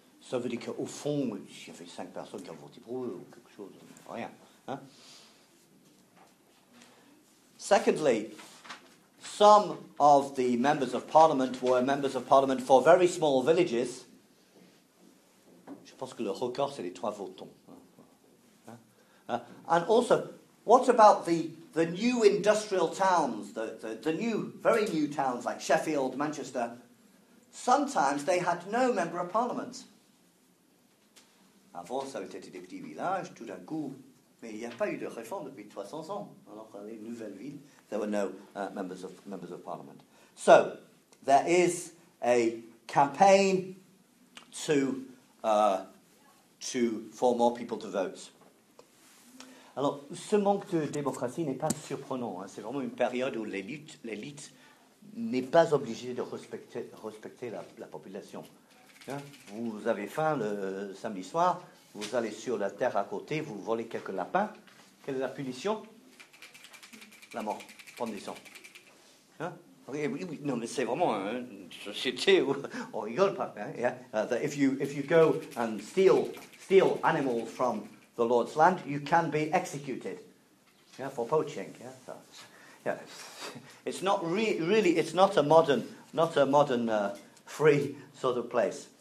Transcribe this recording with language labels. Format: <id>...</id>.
<fr>Ça veut dire qu'au fond, il y avait 5 personnes qui ont voté pour eux ou quelque chose, rien. Hein?</fr> <en>Secondly, some of the members of parliament were members of parliament for very small villages.</en> <fr>Je pense que le record, c'est les 3 votants.</fr> <en>And also, what about the new industrial towns, the new, very new towns like Sheffield, Manchester? Sometimes they had no member of parliament.</en> <fr>Avant, ça avait été des petits villages, tout d'un coup. Mais il n'y a pas eu de réforme depuis 300 ans. Alors, dans les nouvelles villes,</fr> <en>there were no members of parliament. So, there is a campaign for more people to vote.</en> <fr>Alors, ce manque de démocratie n'est pas surprenant. Hein. C'est vraiment une période où l'élite n'est pas obligée de respecter la population. Hein. Vous avez faim le samedi soir, vous allez sur la terre à côté, vous volez quelques lapins. Quelle est la punition? La mort, pendaison. Hein? Oui, non, mais c'est vraiment une société où on rigole pas. Hein? Yeah?</fr> <en>That if you go and steal animals from the Lord's land, you can be executed. Yeah, for poaching. Yeah, so, yeah. It's not really. It's not a modern, free sort of place.</en>